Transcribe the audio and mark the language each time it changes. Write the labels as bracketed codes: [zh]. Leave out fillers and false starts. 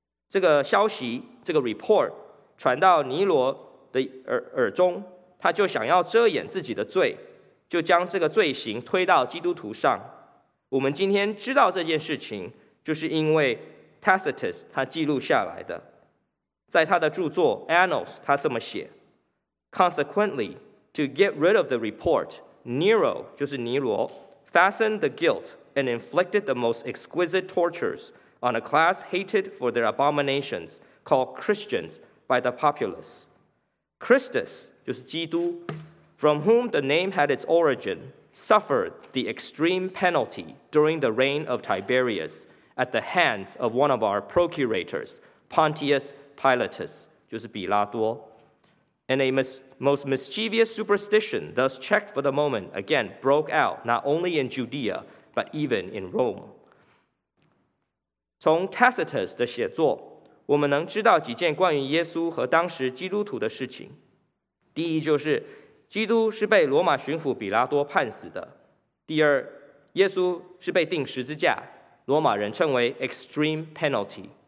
[zh] 这个消息，这个 report 传到尼罗的耳中，他就想要遮掩自己的罪，就将这个罪行推到基督徒上。我们今天知道这件事情，就是因为 Tacitus 他记录下来的。在他的著作 [en] Annals [zh] 他这么写： [en] Consequently, to get rid of the report, Nero, [zh] 就是尼罗， [en] fastened the guilt and inflicted the most exquisite tortures on a class hated for their abominations called Christians by the populace. Christus, [zh] 就是基督， [en] from whom the name had its origin, suffered the extreme penalty during the reign of Tiberius at the hands of one of our procurators, Pontius Pilatus, [zh] 就是比拉多。 [en] And a most mischievous superstition, thus checked for the moment, again broke out not only in Judea, but even in Rome. [zh] 从 Tacitus 的写作，我们能知道几件关于耶稣和当时基督徒的事情。第一，就是基督是被罗马巡抚比拉多判死的。第二，耶稣是被钉十字架，罗马人称为 extreme penalty。